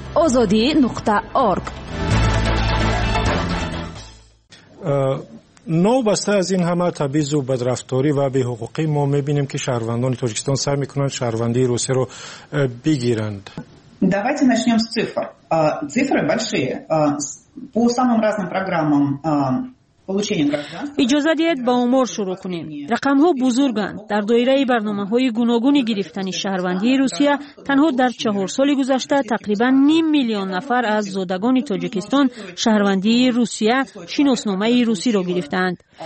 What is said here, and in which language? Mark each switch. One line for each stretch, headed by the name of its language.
Persian: آزادی نقطه آرگ. نو بسته از این همه تبعیض و بدرفتاری و بی حقوقی ما میبینیم که شهروندان تاجیکستان سعی میکنند شهروندی روسیه رو بگیرند.
Russian: Давайте начнем с цифр. Цифры большие. По самым разным программам
Persian: اجازه دهید با آمار شروع کنیم. رقم ها بزرگند. در دایره برنامه های گوناگون گرفتن شهروندی روسیه تنها در 4 سال گذشته تقریبا 500,000 نفر از زادگان تاجیکستان شهروندی روسیه شناسنامه روسی را گرفتند.